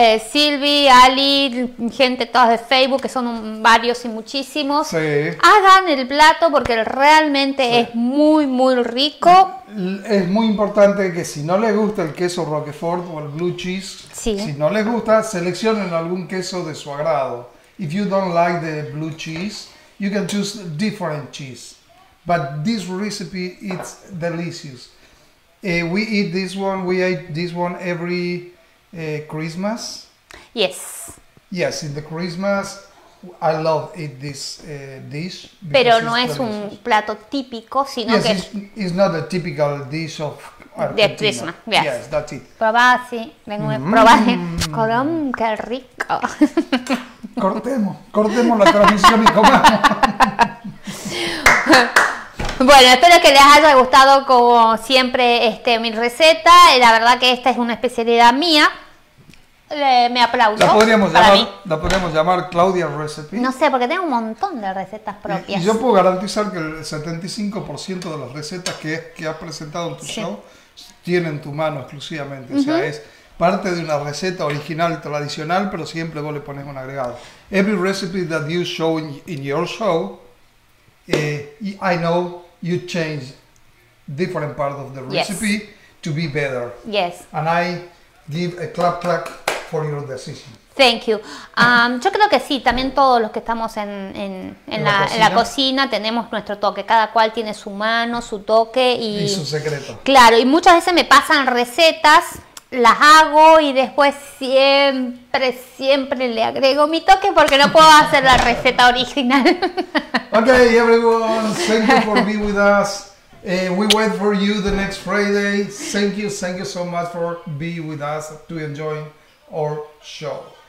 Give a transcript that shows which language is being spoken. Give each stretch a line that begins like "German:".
Spanish: Silvi, Ali, gente todas de Facebook, que son varios y muchísimos. Sí. Hagan el plato porque realmente es muy, muy rico. Es muy importante que si no les gusta el queso Roquefort o el blue cheese, si no les gusta, seleccionen algún queso de su agrado.
English: If you don't like the blue cheese, you can choose different cheese. But this recipe, it's delicious. We eat this one, we eat this one every... Christmas? Yes. Yes, in the Christmas, I love eat this dish.
Spanish: Pero no es un plato típico, sino
English: yes,
Spanish: que...
English: It's not a typical dish of Argentina.
Spanish: De
English: Christmas, yes. Yes, that's it.
Spanish: Probá, sí. Probá. Corón, qué rico. Cortemos la transmisión y comamos. Bueno, espero que les haya gustado como siempre mi receta. La verdad que esta es una especialidad mía. Me aplaudo. La podríamos llamar Claudia Recipe. No sé, porque tengo un montón de recetas propias. Y yo puedo garantizar que el 75% de las recetas que has presentado en tu show tienen tu mano exclusivamente. Uh-huh. O sea, es parte de una receta original, tradicional, pero siempre vos le pones un agregado.
English: Every recipe that you show in your show... I know you change different part of the recipe to be better. Yes. And I give a clap for your decision. Thank you.
Spanish: Yo creo que sí, también todos los que estamos en la cocina tenemos nuestro toque. Cada cual tiene su mano, su toque y su secreto. Claro, y muchas veces me pasan recetas, las hago y después siempre le agrego mi toque porque no puedo hacer la receta original.
English: Okay, everyone, thank you for being with us. We wait for you the next Friday. Thank you so much for being with us to enjoy our show.